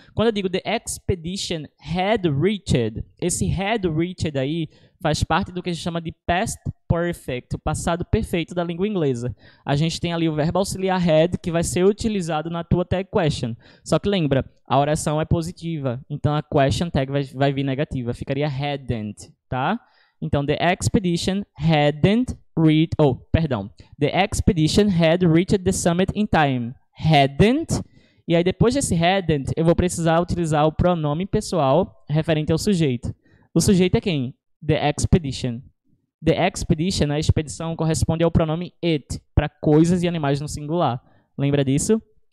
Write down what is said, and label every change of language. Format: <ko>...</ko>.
<pt>Quando eu digo</pt> <en>the expedition had reached,</en> <pt>esse had reached aí faz parte do que a gente chama de past perfect, o passado perfeito da língua inglesa. A gente tem ali o verbo auxiliar had que vai ser utilizado na tua tag question. Só que lembra, a oração é positiva, então a question tag vai vir negativa, ficaria hadn't, tá? Então,</pt> <en>the expedition hadn't reached,</en> <pt>oh, perdão.</pt> <en>The expedition had reached the summit in time.</en> <pt>Hadn't, e aí depois desse hadn't, eu vou precisar utilizar o pronome pessoal referente ao sujeito. O sujeito é quem?</pt> <en>The expedition. The expedition,</en> <pt>a expedição, corresponde ao pronome it, para coisas e animais no singular. Lembra disso?</pt>